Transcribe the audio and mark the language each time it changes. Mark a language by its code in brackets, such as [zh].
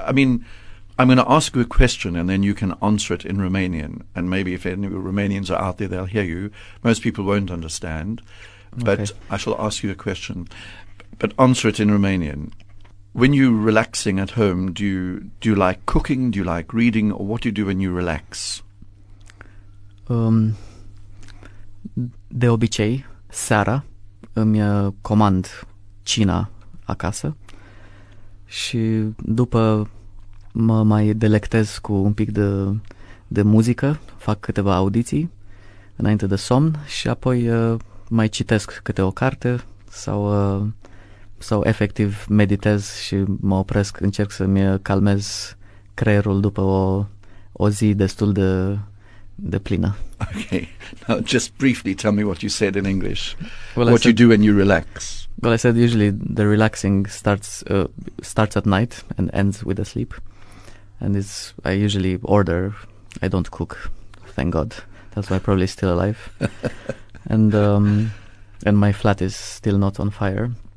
[en] I mean, I'm going to ask you a question, and then you can answer it in Romanian, and maybe if any Romanians are out there, they'll hear you. Most people won't understand, but okay. I shall ask you a question, but answer it in Romanian. When you're relaxing at home, do you like cooking? Do you like reading? Or what do you do when you relax? [ro] De obicei, seara, îmi comand cina acasă și după mă mai delectez cu un pic de muzică, fac câteva audiții înainte de somn și apoi mai citesc câte o carte sau efectiv meditez și mă opresc, încerc să-mi calmez creierul după o zi destul de the plena. [en] Okay. Now, just briefly tell me what you said in English. You do when you relax. Well, I said usually the relaxing starts at night and ends with the sleep. And I usually order. I don't cook, thank God. That's why I'm probably still alive. And my flat is still not on fire.